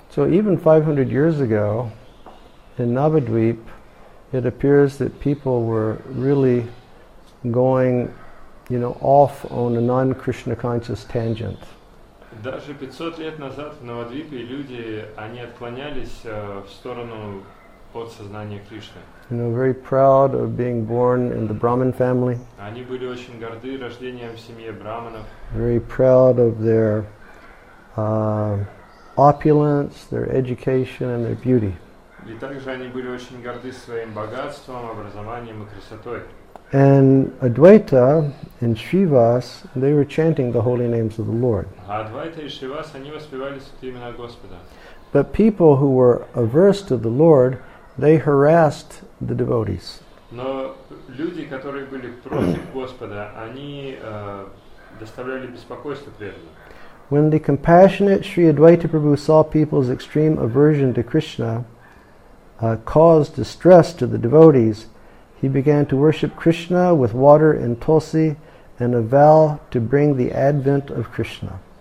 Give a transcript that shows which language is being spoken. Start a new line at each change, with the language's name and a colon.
English: So even 500 years ago, in Navadvip, it appears that people were really going, you know, off on a non-Krishna conscious tangent.
Russian: Даже 500 лет назад в Навадвипе люди, они отклонялись в сторону от сознания Кришны.
English: You know, very proud of being born in the Brahmin family.
Russian: Они были очень горды рождением в семье Брахманов.
English: Very proud of their opulence, their education and their beauty.
Russian: И также они были очень горды своим богатством, образованием и красотой.
English: And Advaita and Srivas, they were chanting the holy names of the Lord.
Russian: Advaita и Srivas, они воспевали святые имена Господа.
English: But people who were averse to the Lord, they harassed the devotees.
Russian: Но люди, которые были против Господа, они доставляли беспокойство преданным.
English: When the compassionate Sri Advaita Prabhu saw people's extreme aversion to Krishna caused distress to the devotees, he began to worship Krishna with water and tulsi and a vow to bring the advent of Krishna.